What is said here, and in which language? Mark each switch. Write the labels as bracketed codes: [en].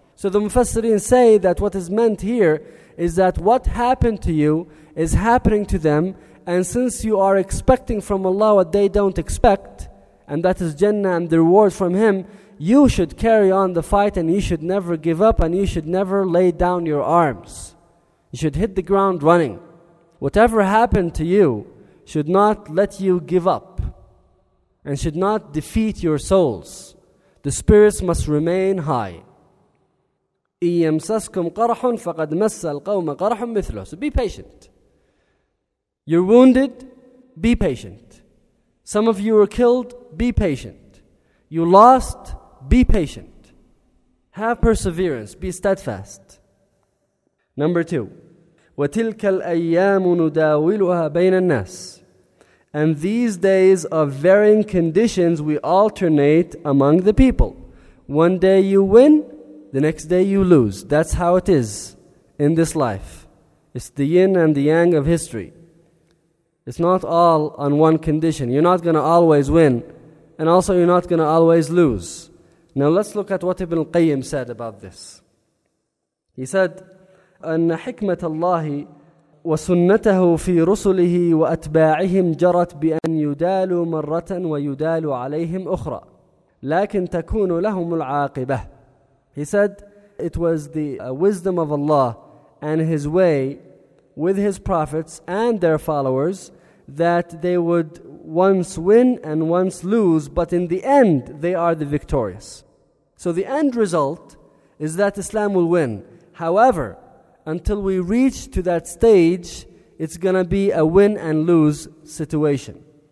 [en] So the Mufassirin say that what is meant here is that what happened to you is happening to them, and since you are expecting from Allah what they don't expect, and that is Jannah and the reward from Him, you should carry on the fight and you should never give up and you should never lay down your arms. You should hit the ground running. Whatever happened to you should not let you give up and should not defeat your souls. The spirits must remain high. [ar] إِن يَمْسَسْكُمْ قَرْحٌ فَقَدْ مَسَّ الْقَوْمَ قَرْحٌ مِثْلُهُ [en] So be patient. You're wounded, be patient. Some of you were killed, be patient. You lost, be patient. Have perseverance, be steadfast. Number two, [ar] وَتِلْكَ الْأَيَّامُ نُدَاوِلُهَا بَيْنَ النَّاسِ [en] And these days of varying conditions, we alternate among the people. One day you win, the next day you lose. That's how it is in this life. It's the yin and the yang of history. It's not all on one condition. You're not going to always win, and also you're not going to always lose. Now let's look at what Ibn al-Qayyim said about this. He said, [ar] أن حكمة الله وسنته في رسله وأتباعهم جرت بأن يدالوا مرة ويدالوا عليهم أخرى لكن تكون لهم العاقبة. [en] He said, it was the wisdom of Allah and His way with His prophets and their followers that they would once win and once lose, but in the end they are the victorious. So the end result is that Islam will win. However, until we reach to that stage, it's going to be a win and lose situation.